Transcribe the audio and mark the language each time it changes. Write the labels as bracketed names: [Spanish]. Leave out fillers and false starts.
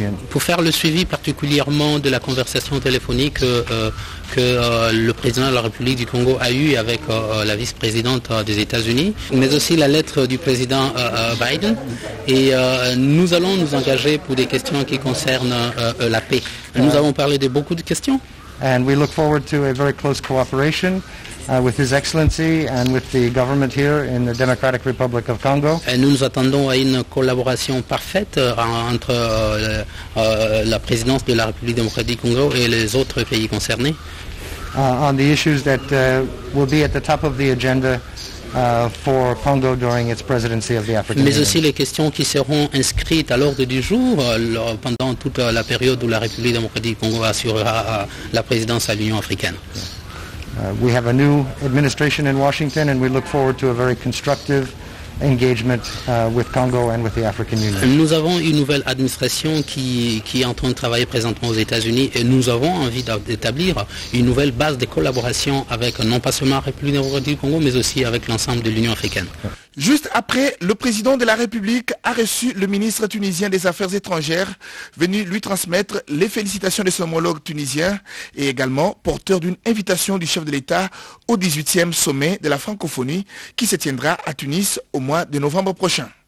[French] Pour faire le suivi particulièrement de la conversation téléphonique que le président de la République du Congo a eue avec la vice-présidente des États-Unis, mais aussi la lettre du président Biden, et nous allons nous engager pour des questions qui concernent la paix. Nous avons parlé de beaucoup de questions. [English] And we look forward to a very close cooperation with His Excellency and with the government here in the Democratic Republic of Congo. [French] Et nous attendons à une collaboration parfaite entre la présidence de la République démocratique du Congo et les autres pays concernés. [English] On the issues that will be at the top of the agenda for Congo during its presidency of the African Union. [French] Mais aussi les questions qui seront inscrites à l'ordre du jour pendant toute la période où la République démocratique du Congo assurera la présidence à l'Union africaine. [English] We have a new administration in Washington and we look forward to a very constructive engagement with Congo and with the African Union. [French] Nous avons une nouvelle administration qui est en train de travailler présentement aux États-Unis et nous avons envie d'établir une nouvelle base de collaboration avec non pas seulement la République démocratique du Congo, mais aussi avec l'ensemble de l'Union africaine. Juste après, le président de la République a reçu le ministre tunisien des Affaires étrangères, venu lui transmettre les félicitations de son homologue tunisien et également porteur d'une invitation du chef de l'État au 18e sommet de la francophonie qui se tiendra à Tunis au mois de novembre prochain.